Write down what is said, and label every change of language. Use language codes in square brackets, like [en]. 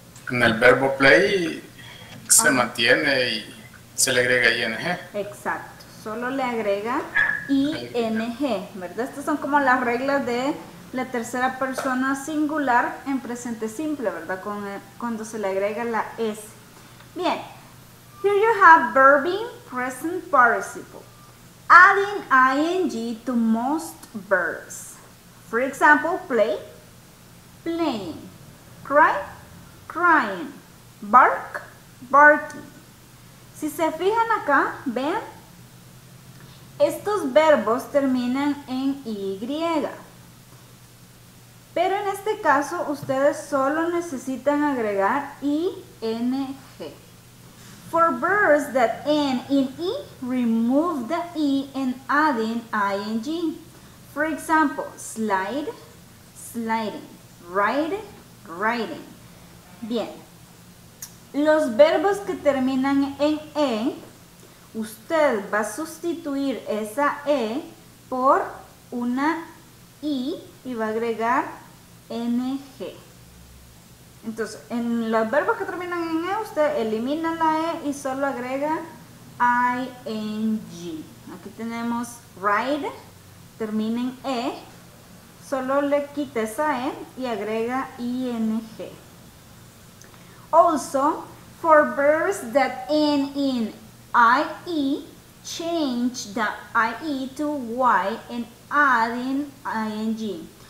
[es] En el verbo play se mantiene y se le agrega ing. Exacto. Solo le agrega ing, ¿verdad? Estas son como las reglas de la tercera persona singular en presente simple, ¿verdad? Cuando se le agrega la s. [en] Bien, here you have verb in present participle. Adding ing to most verbs. For example, play, playing. Cry, crying. Bark, barking. [es] Si se fijan acá, ¿ven? Estos verbos terminan en Y, pero en este caso ustedes solo necesitan agregar ING. [en] For verbs that end in E, remove the E and add in ING. For example, slide, sliding, ride, riding. [es] Bien, los verbos que terminan en E, usted va a sustituir esa E por una I y va a agregar NG. Entonces, en los verbos que terminan en E, usted elimina la E y solo agrega ING. Aquí tenemos ride, termina en E, solo le quita esa E y agrega ING. [en] Also, for verbs that end in IE, change the IE to Y and add in ING.